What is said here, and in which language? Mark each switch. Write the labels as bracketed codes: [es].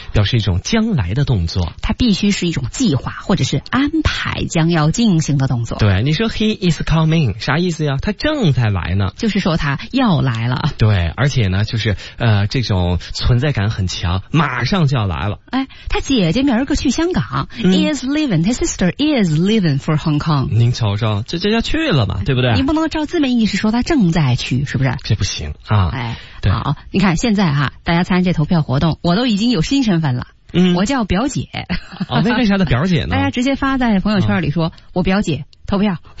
[zh] 表示一种将来的动作，它必须是一种计划或者是安排将要进行的动作。对，你说 [en] he is coming [zh] 啥意思呀？他正在来呢，就是说他要来了。对，而且呢就是这种存在感很强，马上就要来了。他姐姐明儿个去香港， [en] is leaving, his sister is leaving for Hong Kong。 [zh] 您瞧瞧，这就要去了嘛，对不对？您不能照字面意思说他正在去，是不是？这不行啊。对，好，你看现在哈，大家参加这投票活动，我都已经有新身份了。我叫表姐。为啥的表姐呢？大家直接发在朋友圈里说，我表姐投票。